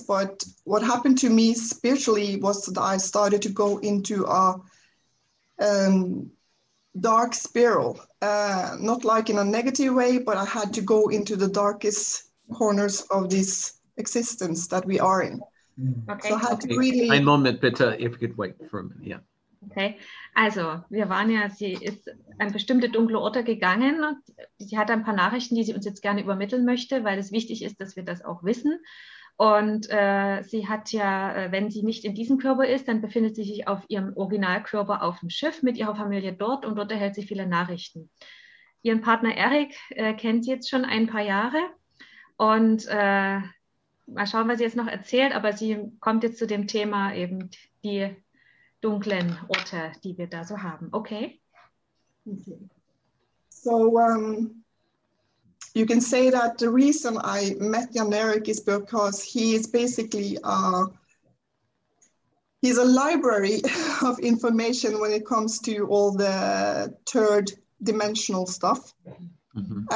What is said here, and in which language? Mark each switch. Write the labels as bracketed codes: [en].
[en] But what happened to me spiritually was that I started to go into a dark spiral, not like in a negative way, but I had to go into the darkest corners of this existence that we are in. Okay. So I had to really... [de] Ein Moment bitte, [en] if you could wait for a minute, yeah. [de] Okay, also wir waren ja, sie ist an bestimmte dunkle Orte gegangen. Sie hat ein paar Nachrichten, die sie uns jetzt gerne übermitteln möchte, weil es wichtig ist, dass wir das auch wissen. Und sie hat ja, wenn sie nicht in diesem Körper ist, dann befindet sie sich auf ihrem Originalkörper auf dem Schiff mit ihrer Familie dort und dort erhält sie viele Nachrichten. Ihren Partner Erik kennt sie jetzt schon ein paar Jahre und mal schauen, was sie jetzt noch erzählt, aber sie kommt jetzt zu dem Thema eben die dunklen Orte, die wir da so haben. [en] Okay? Okay. So, you can say that the reason I met Jan Erik is because he is basically he's a library of information when it comes to all the third dimensional stuff. Mm-hmm.